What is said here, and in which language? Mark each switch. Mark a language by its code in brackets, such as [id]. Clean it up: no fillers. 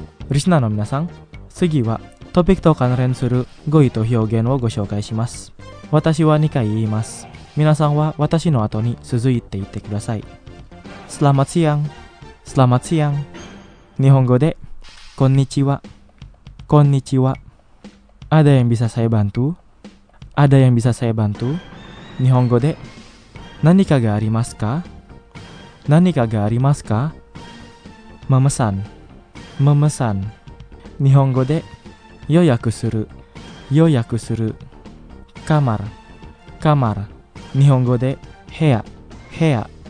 [ja] リスナーの皆さん、次はトピックと関連する語彙と表現をご紹介します。私は2回言います。皆さんは私の後に続いて言ってください。 [id] スラマツヤン、スラマツヤン。 [ja] 日本語でこんにちは、こんにちは。 [id] Ada yang bisa saya bantu? Ada yang bisa saya bantu? [ja] 日本語で何かがありますか、何かがありますか。 [id] Memesan、memesan。 [ja] 日本語で予約する、予約する。 [id] kamar、 kamar。 [ja] 日本語で部屋、部屋。